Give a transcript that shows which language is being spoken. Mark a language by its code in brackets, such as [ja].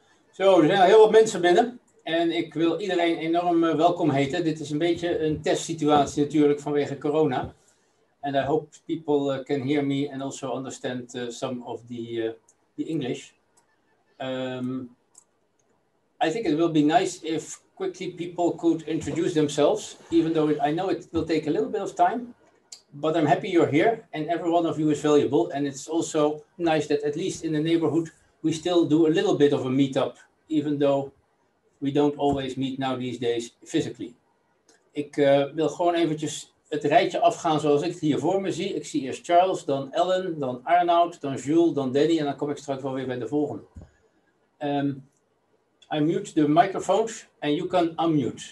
[nl] Zo, er zijn heel wat mensen binnen en ik wil iedereen enorm welkom heten. Dit is een beetje een testsituatie natuurlijk vanwege corona. [en] And I hope people can hear me and also understand some of the English. I think it will be nice if quickly people could introduce themselves, even though I know it will take a little bit of time. But I'm happy you're here and every one of you is valuable. And it's also nice that at least in the neighborhood we still do a little bit of a meetup, even though we don't always meet now these days physically. [nl] Ik wil gewoon eventjes het rijtje afgaan zoals ik het hier voor me zie. Ik zie eerst Charles, dan Ellen, dan Arnoud, dan Jules, dan Danny en dan kom ik straks wel weer bij de volgende. [en] I mute the microphones and you can unmute.